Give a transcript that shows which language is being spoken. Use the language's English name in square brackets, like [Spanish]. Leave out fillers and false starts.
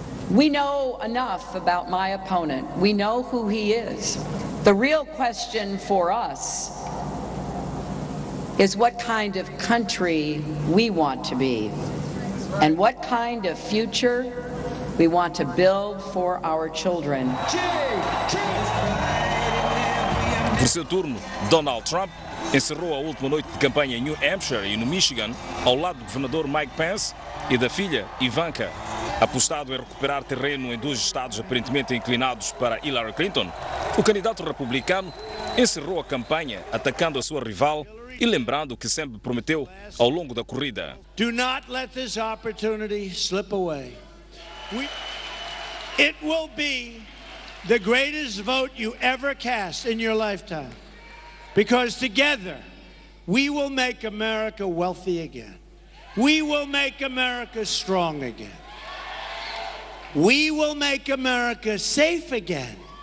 [English] We know enough about my opponent. We know who he is. The real question for us is what kind of country we want to be and what kind of future we want to build for our children. [Portuguese] Por seu turno, Donald Trump encerrou a última noite de campanha em New Hampshire e no Michigan, ao lado do governador Mike Pence e da filha Ivanka. Apostado em recuperar terreno em dois estados aparentemente inclinados para Hillary Clinton, o candidato republicano encerrou a campanha atacando a sua rival e lembrando o que sempre prometeu ao longo da corrida. [English] Do not let this opportunity slip away. It will be the greatest vote you ever cast in your lifetime. Because together, we will make America wealthy again. We will make America strong again. We will make America safe again.